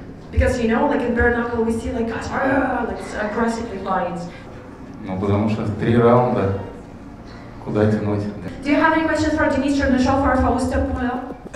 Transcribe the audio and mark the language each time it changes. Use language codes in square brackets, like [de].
[en] Because you know, like in bare knuckle, we see like guys aggressively fight. [ru] Ну потому что три раунда. Куда тянуть? [en] Do you have any questions for Dimitri and Michelle for Fausto?